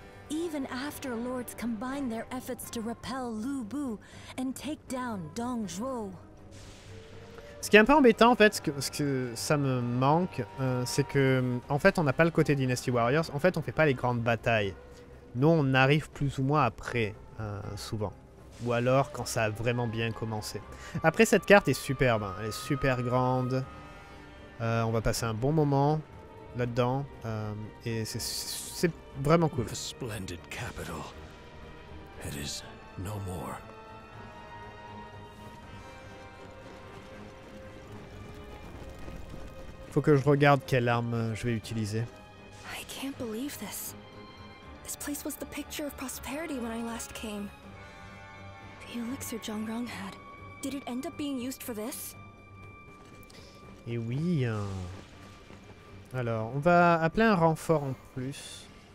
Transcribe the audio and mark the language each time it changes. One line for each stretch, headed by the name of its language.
English: Even after lords combine their efforts to repel Lu Bu and take down Dongzhuo.
French: Ce qui est un peu embêtant en fait, ce que ça me manque, c'est que en fait, on n'a pas le côté Dynasty Warriors. En fait, on fait pas les grandes batailles. Nous, on arrive plus ou moins après, souvent. Ou alors quand ça a vraiment bien commencé. Après, cette carte est superbe. Elle est super grande. On va passer un bon moment là-dedans. Et c'est vraiment cool.
English: The splendid capital. It is no more.
French: Faut que je regarde quelle arme je vais utiliser.
English: I can't believe this. This place was the picture of prosperity when I last came. The elixir Zhongrong had. Did it end up being used for this?
French: Et oui. Alors, on va appeler un renfort en plus.